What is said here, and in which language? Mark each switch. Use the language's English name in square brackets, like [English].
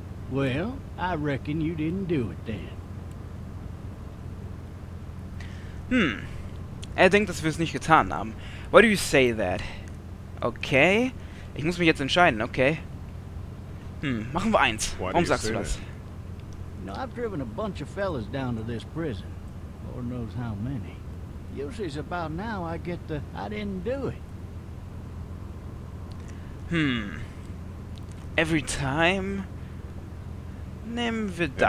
[English] Well, I reckon you didn't do it then. [German] Er denkt, dass wir es nicht getan haben. [English] Why do you say that? [German] Okay. Ich muss mich jetzt entscheiden, okay. Machen wir eins. Warum sagst du das? [English] You know, I've driven a bunch of fellas down to this prison. Lord knows how many. Usually it's about now I get the I didn't do it. Every time? [German] Nehmen wir das.